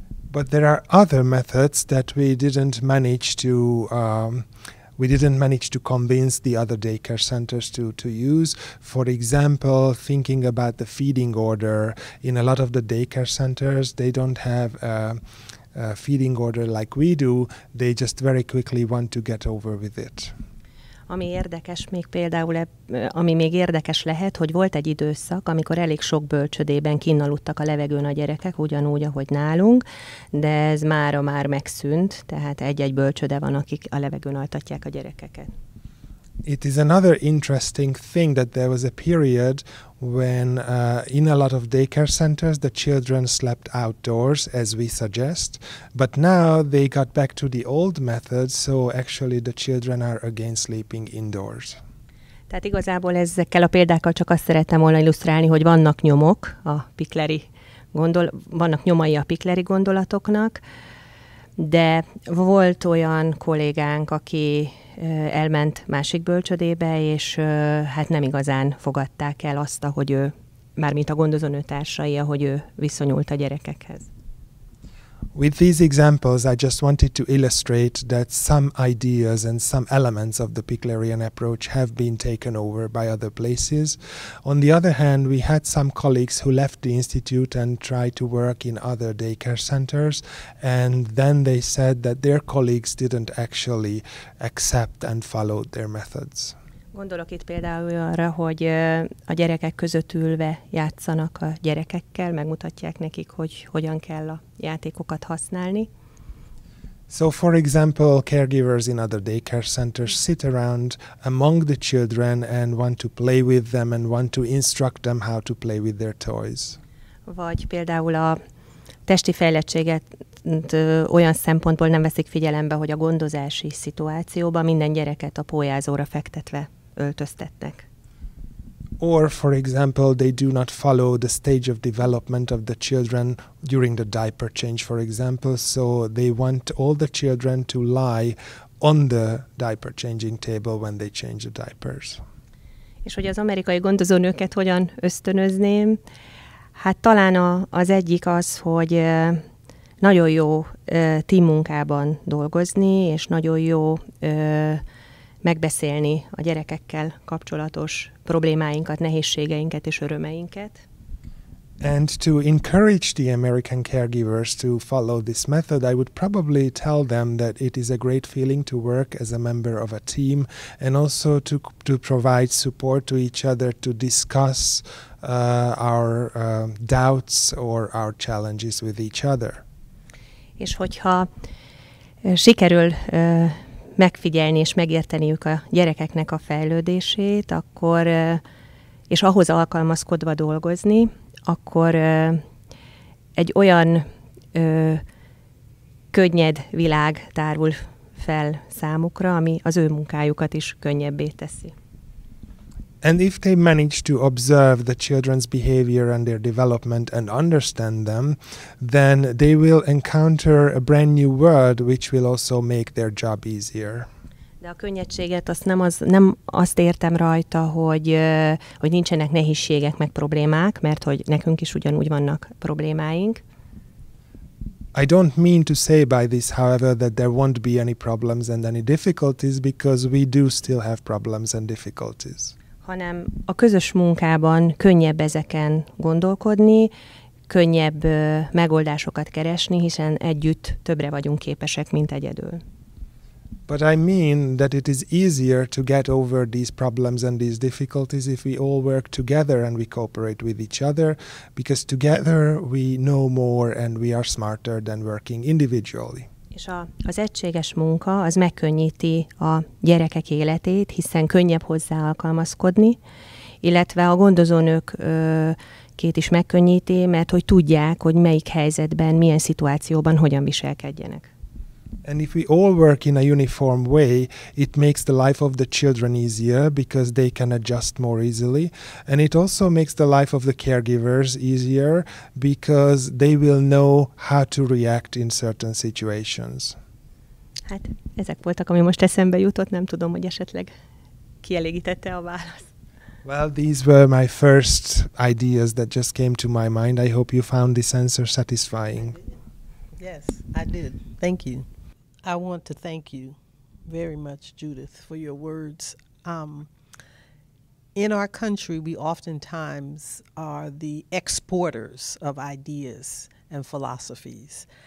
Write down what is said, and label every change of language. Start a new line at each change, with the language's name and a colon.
English: But there are other methods that we didn't manage to convince the other daycare centers to use. For example, thinking about the feeding order, in a lot of the daycare centers, they don't have a feeding order like we do. They just very quickly want to get over with it.
Hungarian: Ami érdekes még például, ami még érdekes lehet, hogy volt egy időszak, amikor elég sok bölcsödében kinnaludtak a levegőn a gyerekek, ugyanúgy, ahogy nálunk, de ez mára már megszűnt, tehát egy-egy bölcsöde van, akik a levegőn altatják a gyerekeket.
English: It is another interesting thing that there was a period when in a lot of daycare centers the children slept outdoors, as we suggest, but now they got back to the old method, so actually the children are again sleeping indoors.
Hungarian: Tehát igazából ezekkel a példákkal csak azt szeretem volna illusztrálni, hogy vannak nyomok a pikleri vannak nyomai a pikleri gondolatoknak, de volt olyan kollégánk, aki elment másik bölcsödébe, és hát nem igazán fogadták el azt, ahogy ő, mármint a gondozónő társai, ahogy ő viszonyult a gyerekekhez.
English: With these examples, I just wanted to illustrate that some ideas and some elements of the Piklerian approach have been taken over by other places. On the other hand, we had some colleagues who left the institute and tried to work in other daycare centers, and then they said that their colleagues didn't actually accept and follow their methods.
Hungarian: Gondolok itt például arra, hogy a gyerekek között ülve játszanak a gyerekekkel, megmutatják nekik, hogy hogyan kell a játékokat használni.
English: So, for example, caregivers in other daycare centers sit around among the children and want to play with them and want to instruct them how to play with their toys.
Hungarian: Vagy például a testi fejlettséget olyan szempontból nem veszik figyelembe, hogy a gondozási szituációban minden gyereket a pólyázóra fektetve öltöztetnek.
English: Or, for example, they do not follow the stage of development of the children during the diaper change, for example, so they want all the children to lie on the diaper changing table when they change the diapers.
Hungarian: És hogy az amerikai gondozónőket hogyan ösztönözném? Hát talán az egyik az, hogy nagyon jó team munkában dolgozni, és nagyon jó megbeszélni a gyerekekkel kapcsolatos problémáinkat, nehézségeinket és örömeinket.
English: And to encourage the American caregivers to follow this method, I would probably tell them that it is a great feeling to work as a member of a team and also to provide support to each other to discuss our doubts or our challenges with each other.
Hungarian: És hogyha sikerül megfigyelni és megérteniük a gyerekeknek a fejlődését, akkor és ahhoz alkalmazkodva dolgozni, akkor egy olyan könnyed világ tárul fel számukra, ami az ő munkájukat is könnyebbé teszi.
English: And if they manage to observe the children's behavior and their development and understand them, then they will encounter a brand new world, which will also make their job easier.
Hungarian: De a könnyedséget azt nem azt értem rajta, hogy nincsenek nehézségek meg problémák, mert hogy nekünk is ugyanúgy vannak problémáink.
English: I don't mean to say by this, however, that there won't be any problems and any difficulties, because we do still have problems and difficulties.
Hungarian: Hanem a közös munkában könnyebb ezeken gondolkodni, könnyebb megoldásokat keresni, hiszen együtt többre vagyunk képesek, mint egyedül.
English: But I mean that it is easier to get over these problems and these difficulties if we all work together and we cooperate with each other, because together we know more and we are smarter than working individually.
Hungarian: És az egységes munka az megkönnyíti a gyerekek életét, hiszen könnyebb hozzá alkalmazkodni, illetve a gondozónők két is megkönnyíti, mert hogy tudják, hogy melyik helyzetben, milyen szituációban hogyan viselkedjenek.
English: And if we all work in a uniform way, it makes the life of the children easier because they can adjust more easily. And it also makes the life of the caregivers easier because they will know how to react in certain situations.
Hungarian: Hát, ezek voltak, ami most eszembe jutott, nem tudom, hogy esetleg kielégítette a választ.
English: Well, these were my first ideas that just came to my mind. I hope you found this answer satisfying. Yes, I did. Thank you. I want to thank you very much, Judith, for your words. In our country, we oftentimes are the exporters of ideas and philosophies.